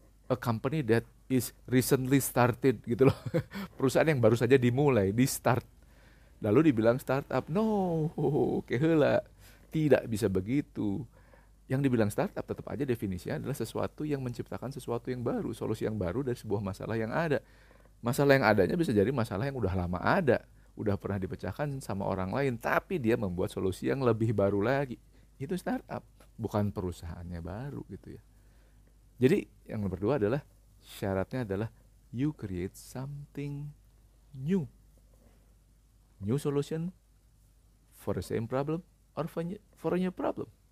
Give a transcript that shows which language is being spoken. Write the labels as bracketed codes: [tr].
[en] A company that is recently started [id] gitu loh. Perusahaan yang baru saja dimulai, di start. Lalu dibilang startup. No, keheula. Tidak bisa begitu. Yang dibilang startup tetap aja definisinya adalah sesuatu yang menciptakan sesuatu yang baru, solusi yang baru dari sebuah masalah yang ada. Masalah yang adanya bisa jadi masalah yang udah lama ada, udah pernah dipecahkan sama orang lain, tapi dia membuat solusi yang lebih baru lagi. Itu startup, bukan perusahaannya baru gitu ya. Jadi yang nomor dua adalah syaratnya adalah [en] you create something new. New solution for the same problem or for a new problem.